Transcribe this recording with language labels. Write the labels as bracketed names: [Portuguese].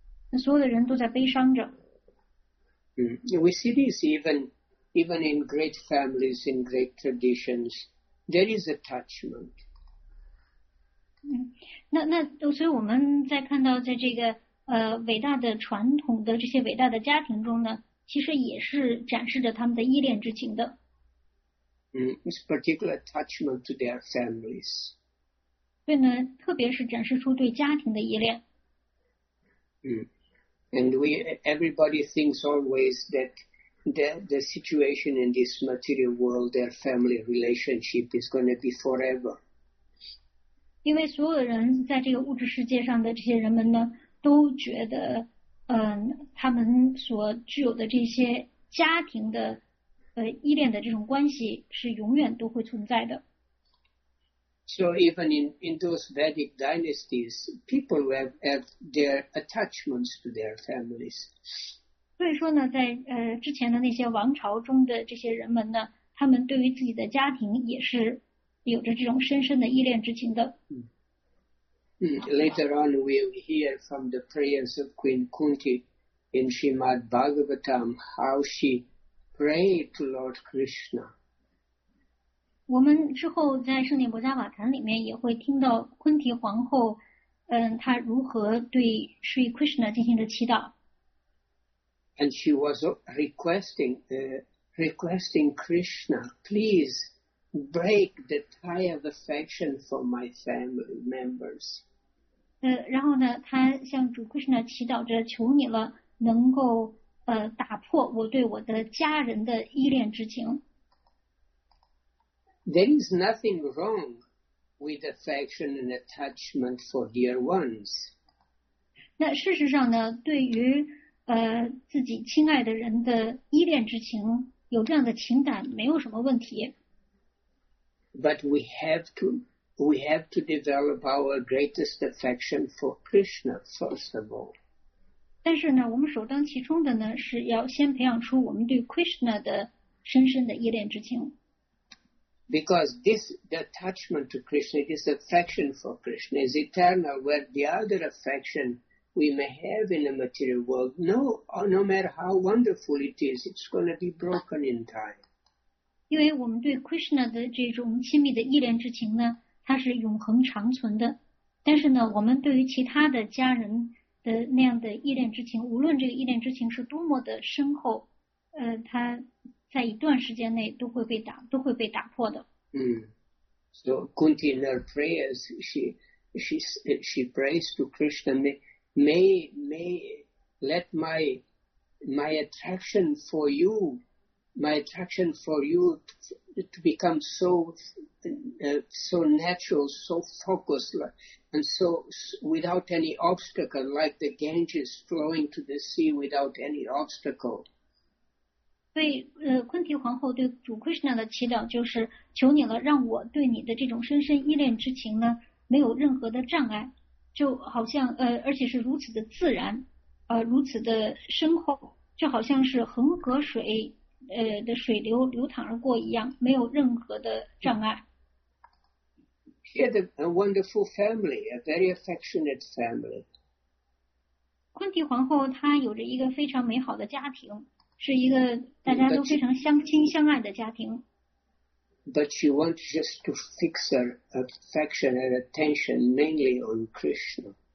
[Chinese] 那所有的人都在悲伤着。 [English] We see this even in great families, in great traditions, there is attachment. [Chinese] 那所以我们在看到在这个伟大的传统的这些伟大的家庭中呢。其实也是展示着他们的依恋之情的。 [English] It's particular attachment to their families. [Chinese] 所以呢，特别是展示出对家庭的依恋。 [English] And we everybody thinks always that the situation in this material world, their family relationship is going to be forever. [Chinese] 因为所有的人在这个物质世界上的这些人们呢，都觉得，他们所具有的这些家庭的，依恋的这种关系是永远都会存在的。 [English] So even in those Vedic dynasties, people have their attachments to their families. [Chinese] 所以说呢，在之前的那些王朝中的这些人们呢，他们对于自己的家庭也是有着这种深深的依恋之情的。 [English] Later on, we'll hear from the prayers of Queen Kunti in Srimad Bhagavatam how she prayed to Lord Krishna. [Chinese] 我们之后在圣殿摩迦瓦坛里面也会听到昆提皇后，她如何对 Sri Krishna 进行的祈祷。 [English] And she was requesting Krishna, please break the tie of affection for my family members. [Chinese] 然后呢，她向主 Krishna 祈祷着，求你了，能够打破我对我的家人的依恋之情。 [English] There is nothing wrong with affection and attachment for dear ones. [Chinese] 那事实上呢，对于自己亲爱的人的依恋之情，有这样的情感没有什么问题。 [English] But we have to develop our greatest affection for Krishna first of all. [Chinese] 但是呢，我们首当其冲的呢，是要先培养出我们对 Krishna 的深深的依恋之情。 [English] Because this the attachment to Krishna, this affection for Krishna is eternal, where the other affection we may have in the material world, no matter how wonderful it is, it's going to be broken in time. [Chinese] 因为我们对 Krishna 的这种亲密的依恋之情呢，它是永恒长存的。但是呢，我们对于其他的家人的那样的依恋之情，无论这个依恋之情是多么的深厚，它在一段时间内都会被打破的。 [English] So Kunti in her prayers, she prays to Krishna, may let my attraction for you, to become so natural, so focused, and so without any obstacle, like the Ganges flowing to the sea without any obstacle. [Chinese] 所以昆提皇后对主 Krishna 的祈祷就是求你了，让我对你的这种深深依恋之情呢没有任何的障碍，就好像而且是如此的自然，如此的深厚，就好像是恒河水的水流流淌而过一样，没有任何的障碍。 [English] She had a wonderful family, a very affectionate family. [Chinese] 昆提皇后她有着一个非常美好的家庭，是一个大家都非常相亲相爱的家庭。 [English] But she wants just to fix her affection and attention mainly on Krishna.